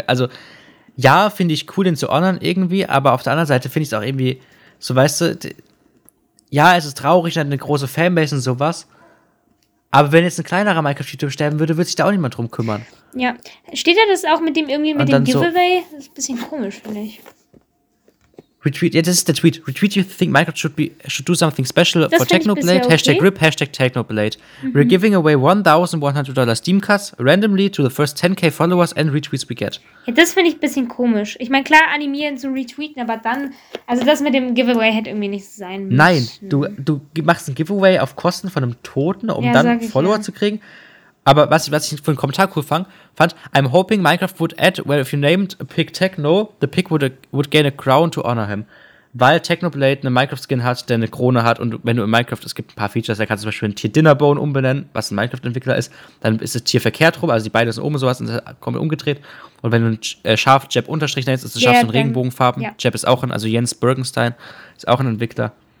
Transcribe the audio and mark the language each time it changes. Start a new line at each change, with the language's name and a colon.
German: Weil, also, ja, finde ich cool, den zu honoren irgendwie, aber auf der anderen Seite finde ich es auch irgendwie, so weißt du, ja, es ist traurig, eine große Fanbase und sowas, aber wenn jetzt ein kleinerer Minecraft-YouTuber sterben würde, würde sich da auch niemand drum kümmern. Ja, steht da das auch mit dem irgendwie mit dem Giveaway? So. Das ist ein bisschen komisch, finde ich. Retweet, ja, das ist der Tweet.
English: Retweet, you think Minecraft should do something special for Technoblade? Hashtag RIP, hashtag Technoblade. We're giving away $1,100 Steam cards randomly to the first 10,000 followers and retweets we get.
German: Ja, das finde ich ein bisschen komisch. Ich meine, klar, animieren zu retweeten, aber dann, also das mit dem Giveaway hätte irgendwie nicht sein müssen. Nein, du machst ein Giveaway auf Kosten von einem Toten, um dann Follower zu kriegen. Aber was ich für einen Kommentar cool fand,
English: I'm hoping Minecraft would add, well, if you named a pig Techno, the pig would gain a crown to honor him.
German: Weil Technoblade eine Minecraft-Skin hat, der eine Krone hat, und wenn du in Minecraft, es gibt ein paar Features, da kannst du zum Beispiel ein Tier Dinnerbone umbenennen, was ein Minecraft-Entwickler ist, dann ist das Tier verkehrt rum, also die beiden sind oben sowas und kommen umgedreht. Und wenn du ein Schaf Jeb Unterstrich nennst, ist das Schaf so ein Regenbogenfarben.
English: Yeah.
German: Jeb ist auch ein, also Jens Birkenstein ist auch ein Entwickler.